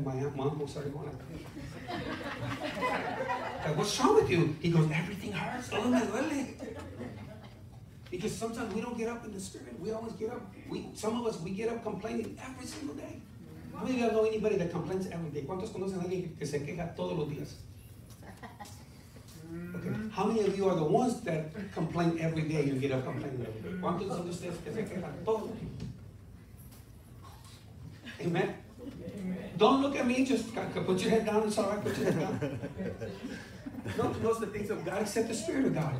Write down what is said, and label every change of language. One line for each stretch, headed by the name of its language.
English: My uncle started going like, what's wrong with you? He goes, everything hurts.
Spanish: Todo me duele.
English: Because sometimes we don't get up in the Spirit. We always get up. Some of us get up complaining every single day. How many of you know anybody that complains every day?
Spanish: ¿Cuántos conocen a alguien que se queja todos los días?
English: Okay. How many of you are the ones that complain every day? You get up complaining every day.
Spanish: ¿Cuántos de ustedes que se quejan todo?
English: Amen. Don't look at me. Just put your head down. It's all right. Put your head down. No one knows the things of God except the Spirit of God.